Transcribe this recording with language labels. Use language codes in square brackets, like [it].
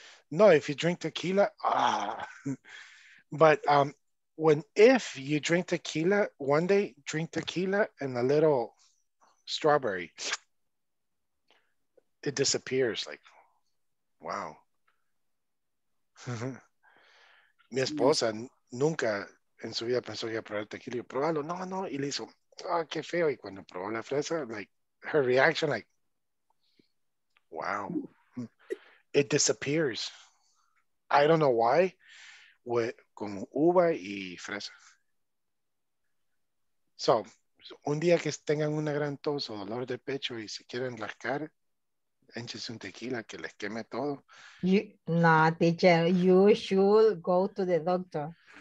[en] No, if you drink tequila, But if you drink tequila, one day drink tequila and a little strawberry, it disappears. Like, wow. [es] Mi esposa nunca en su vida pensó que iba a probar tequila. Yo, probalo. No, y le hizo. Oh, qué feo. Y cuando probó la fresa, [en] like, her reaction, like, wow, it disappears. I don't know why, [es] con uva y fresa. So, un día que tengan una gran tos o dolor de pecho y se quieren rascar, échense un tequila que les queme todo. [en] No, teacher, you should go to the doctor.